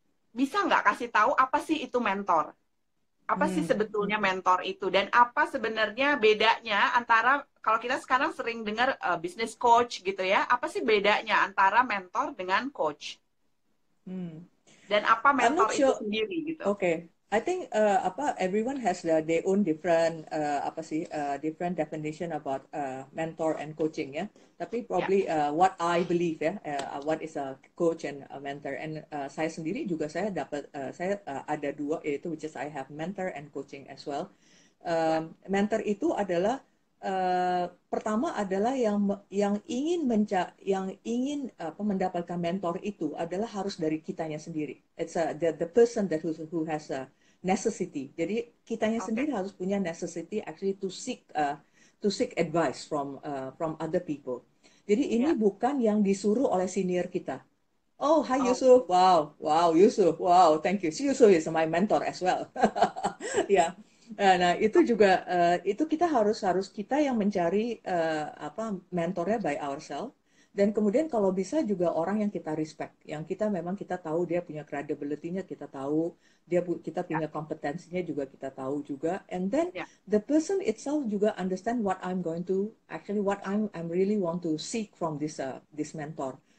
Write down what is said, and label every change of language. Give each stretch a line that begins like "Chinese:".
Indonesian: Bisa nggak kasih tahu apa sih itu mentor? Apa sih sebetulnya mentor itu? Dan apa sebenarnya bedanya antara, kalau kita sekarang sering dengar business coach gitu ya, apa sih bedanya antara mentor dengan coach? Dan apa mentor itu sendiri gitu? Okay.
English: I think everyone has their own different different definition about mentor and coaching ya. Tapi probably what I believe ya, what is a coach and a mentor. And
Indonesian: saya sendiri juga saya dapat saya ada dua, yaitu
English: which is I have mentor and coaching as well.
Indonesian: Mentor itu adalah pertama adalah yang ingin mendapatkan mentor itu adalah harus dari kitanya sendiri.
English: It's the person that who has a necessity.
Indonesian: Jadi kitanya sendiri harus punya necessity actually to seek advice from other people. Jadi ini bukan yang disuruh oleh senior kita.
English: Oh, hi Yusuf. Wow Yusuf. Wow, thank you. Yusuf is my mentor as well. Yeah.
Indonesian: Nah, itu juga itu kita harus kita yang mencari mentornya
English: by ourselves.
Indonesian: Dan kemudian kalau bisa juga orang yang kita respect, yang kita memang kita tahu dia punya credibility-nya, kita tahu dia kita punya kompetensinya juga kita tahu juga.
English: And then the person itself juga understand what I'm going to actually what I'm really want to seek from this this mentor.